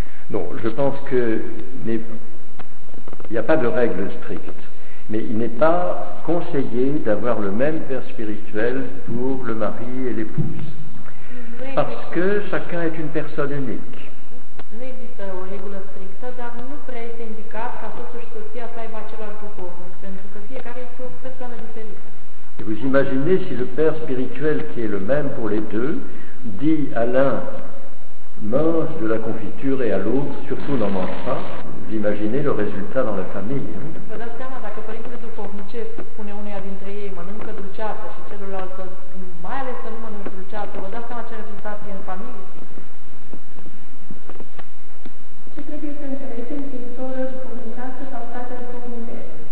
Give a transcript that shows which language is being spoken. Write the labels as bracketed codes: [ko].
[fr] Non, je pense qu'il n'y a pas de règle stricte, mais il n'est pas conseillé d'avoir le même père spirituel pour le mari et l'épouse. Parce que chacun est une personne unique. [ro] Nu există o regulă strictă, dar nu prea este indicat ca soțul și soția să aibă același duhovnic, pentru că fiecare este o persoană diferită. [fr] Et vous imaginez si le père spirituel qui est le même pour les deux dit à l'un mange de la confiture et à l'autre, surtout n'en mange pas. Vous imaginez le résultat dans la famille. [ro] Vă dați seama, dacă părintele duhovnicesc spune uneia dintre ei, mănâncă dulceață și celălalt, mai ales să nu mănânc dulceață, vă dați seama ce rezultat e în familie? Ce trebuie să înțelegem din toată duhovnicească sau toată duhovnicesc?